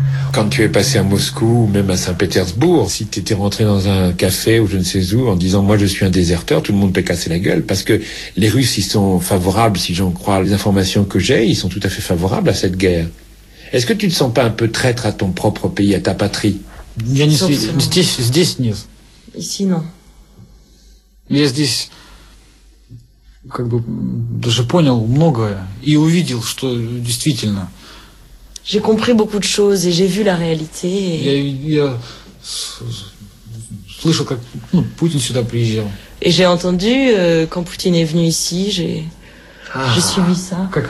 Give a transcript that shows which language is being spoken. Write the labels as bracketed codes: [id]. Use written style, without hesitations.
[fr] Quand tu es passé à Moscou, ou même à Saint-Pétersbourg, si tu étais rentré dans un café ou je ne sais où, en disant « moi je suis un déserteur », tout le monde peut casser la gueule, parce que les Russes, ils sont favorables, si j'en crois les informations que j'ai, ils sont tout à fait favorables à cette guerre. Est-ce que tu ne sens pas un peu traître à ton propre pays, à ta patrie ? [ru] Я не здесь, здесь нет. [fr] Ici, non. [ru] Я здесь, как бы, даже понял многое и увидел, что действительно... [fr] J'ai compris beaucoup de choses et j'ai vu la réalité. Et j'ai entendu quand Poutine est venu ici, j'ai suivi ça.